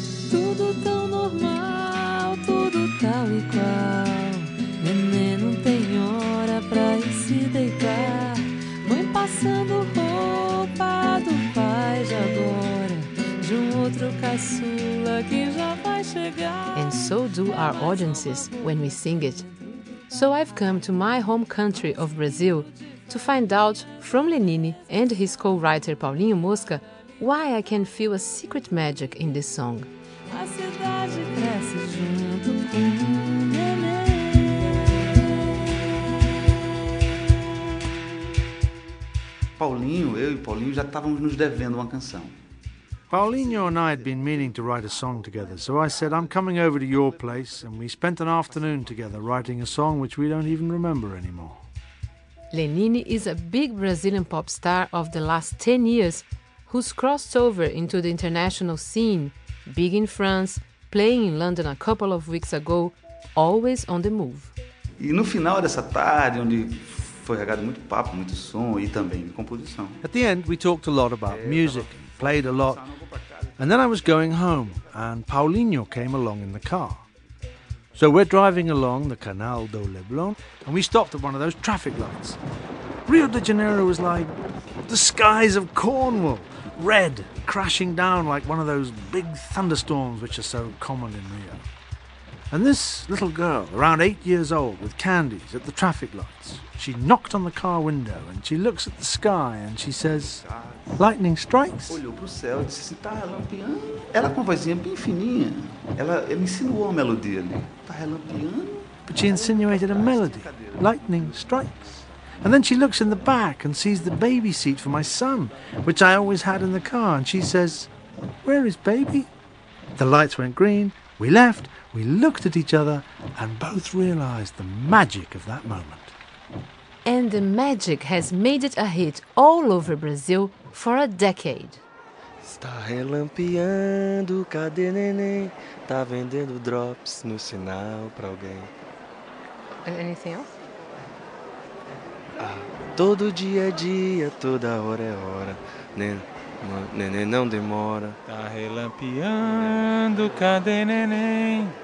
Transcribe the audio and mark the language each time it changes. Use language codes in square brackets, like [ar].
[pt] Tudo tão normal, tudo tal e qual. Neném não tem hora pra ir se deitar. Mãe passando roupa do pai de agora, de outro caçula que já vai chegar. [en] And so do our audiences when we sing it. So I've come to my home country of Brazil to find out from Lenine and his co-writer Paulinho Mosca why I can feel a secret magic in this song. [pt] A cidade cresce junto com o neném. e Paulinho já estávamos nos devendo uma canção. [en] Paulinho and I had been meaning to write a song together, so I said, I'm coming over to your place, and we spent an afternoon together writing a song which we don't even remember anymore. Lenine is a big Brazilian pop star of the last 10 years who's crossed over into the international scene, big in France, playing in London a couple of weeks ago, always on the move. [pt] E no final dessa tarde, onde foi regado muito papo, muito som e também composição. [en] At the end, we talked a lot about music, played a lot, and then I was going home, and Paulinho came along in the car. So we're driving along the Canal do Leblon, and we stopped at one of those traffic lights. Rio de Janeiro was like the skies of Cornwall, red, crashing down like one of those big thunderstorms which are so common in Rio. And this little girl, around 8 years old, with candies at the traffic lights, she knocked on the car window and she looks at the sky and she says, lightning strikes. [pt] Olhou pro céu e disse, tá relampeando. Ela com vozinha bem fininha. Ela insinuou uma melodia ali. Tá relampeando. [en] But she insinuated a melody, lightning strikes. And then she looks in the back and sees the baby seat for my son, which I always had in the car. And she says, where is baby? The lights went green. We left, we looked at each other, and both realized the magic of that moment. And the magic has made it a hit all over Brazil for a decade. [pt] Está relampeando, cadê neném? Tá vendendo drops no sinal pra alguém. [en] And anything else? [pt] Ah, todo dia é dia, toda hora é hora, neném. Neném não demora. Tá relampeando, cadê neném?